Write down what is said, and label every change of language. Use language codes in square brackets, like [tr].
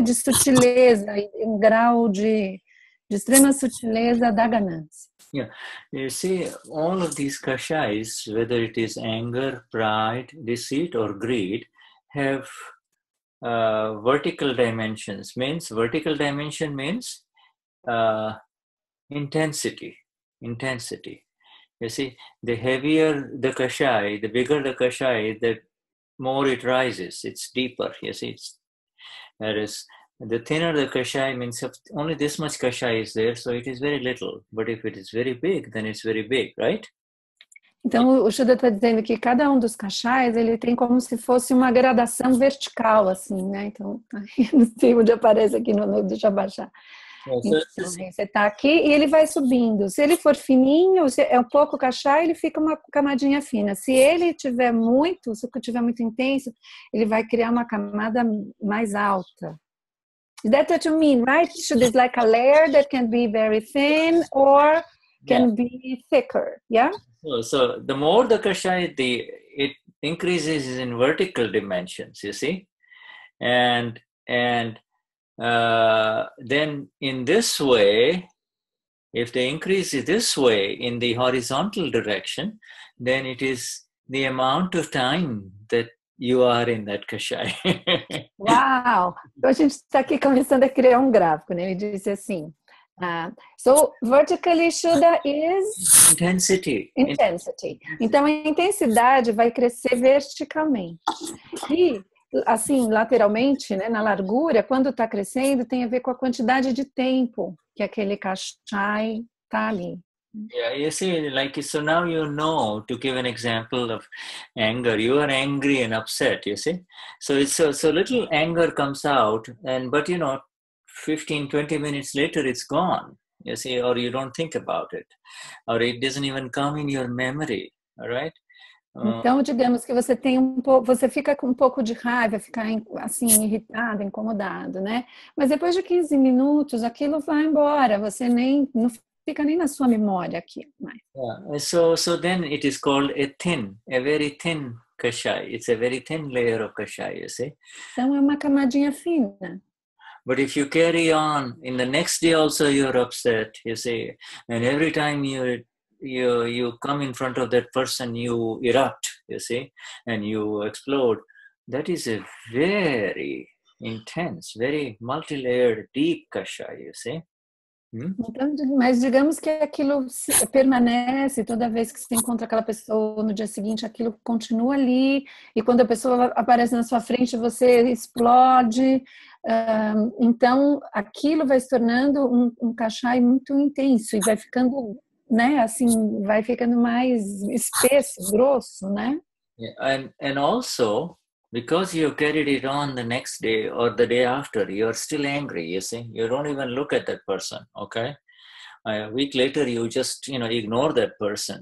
[pt] De sutileza, um grau de extrema sutileza da ganância. [en] Yeah. You see, all of these kashais, whether it is anger, pride, deceit or greed, have vertical dimensions. Means vertical dimension means intensity. You see, the heavier the kashai, the bigger the kashai, the more it rises. It's deeper. You see, whereas the thinner the kashai means only this much kashai is there, so it is very little. But if it is very big, then it's very big, right? [pt] Então, o Shuddha está dizendo que cada um dos kashais, ele tem como se fosse uma gradação vertical, assim, né? Então, não sei onde aparece aqui, deixa eu baixar. Então, você está aqui e ele vai subindo. Se ele for fininho, se é um pouco cachai, ele fica uma camadinha fina. Se ele tiver muito, se ele tiver muito intenso, ele vai criar uma camada mais alta. [en] Is that what you mean, right? Should it be like a layer that can be very thin or can be thicker, yeah? So the more the kashai, it increases in vertical dimensions, you see? Then in this way, if the increase is this way in the horizontal direction, then it is the amount of time that you are in that kashai. Wow! [pt] Então a gente está aqui começando a criar gráfico, né? Ele disse assim. [en] So vertically, Shuddha is intensity. [pt] Então a intensidade vai crescer verticalmente. Assim, lateralmente, né, na largura, quando está crescendo, tem a ver com a quantidade de tempo que aquele kashai está ali. [en] Yeah, you see, like, so now you know, to give an example of anger, you are angry and upset, you see? So it's so little anger comes out, but you know, 15, 20 minutes later, it's gone, you see, or you don't think about it, or it doesn't even come in your memory, all right? [pt] Então, digamos que você tem você fica com um pouco de raiva, fica assim, irritado, incomodado, né? Mas depois de 15 minutos, aquilo vai embora, você não fica nem na sua memória aqui mais. [en] Yeah. So then it is called a very thin kashai. It's a very thin layer of kashai, you see? [pt] Então, é uma camadinha fina. [en] But if you carry on, in the next day also you're upset, you see? And every time you come in front of that person, you erupt, you see, and you explode. That is a very intense, very multi-layered, deep kashai, you see. [pt] Mas digamos que aquilo permanece toda vez que você encontra aquela pessoa no dia seguinte, aquilo continua ali, e quando a pessoa aparece na sua frente, você explode. Então, aquilo vai se tornando um kashai muito intenso e vai ficando... Né? Assim, vai ficando mais espesso, grosso, né? [en] Yeah, and also, because you carried it on the next day or the day after, you are still angry, you see? You don't even look at that person, okay? A week later, you just, you know, ignore that person.